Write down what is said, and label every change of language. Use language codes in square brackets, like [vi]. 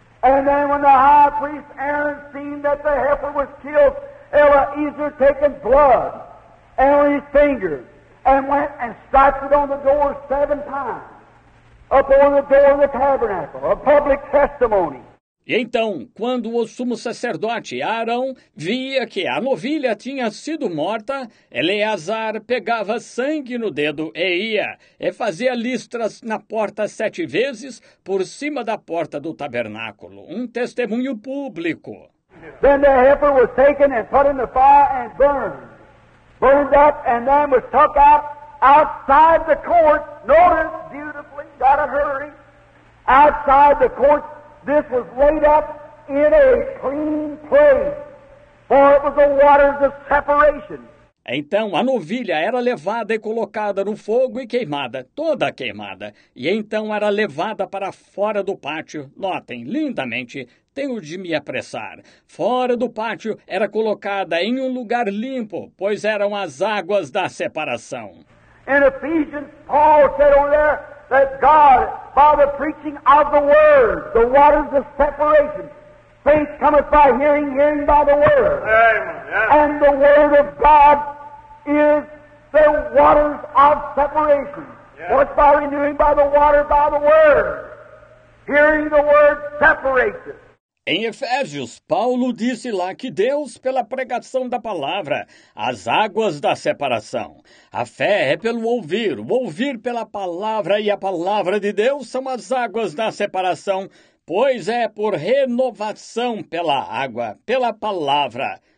[en] And then when the high priest Aaron seen that the heifer was killed, Eliezer taken blood and on his fingers and went and striped it on the door 7 times upon the door of the tabernacle, a public testimony. [pt] E então, quando o sumo sacerdote Arão via que a novilha tinha sido morta, Eleazar pegava sangue no dedo e ia, e fazia listras na porta 7 vezes por cima da porta do tabernáculo, um testemunho público. [en] Then the heifer was taken and put in the fire and burned up, and then was took outside the court, notice beautifully, gotta hurry, outside the court. This was laid up in a clean place, for it was the waters of separation. [pt] Então a novilha era levada e colocada no fogo e queimada, toda queimada. E então era levada para fora do pátio. Notem, lindamente, tenho de me apressar. Fora do pátio era colocada em um lugar limpo, pois eram as águas da separação. [en] In Ephesians, Paul said over there, that God, by the preaching of the word, the waters of separation, faith cometh by hearing, hearing by the word. Amen. Yeah. And the word of God is the waters of separation. Yeah. What's by renewing by the water, by the word? Hearing the word separates us. [pt] Em Efésios, Paulo disse lá que Deus, pela pregação da palavra, as águas da separação. A fé é pelo ouvir, o ouvir pela palavra, e a palavra de Deus são as águas da separação, pois é por renovação pela água, pela palavra.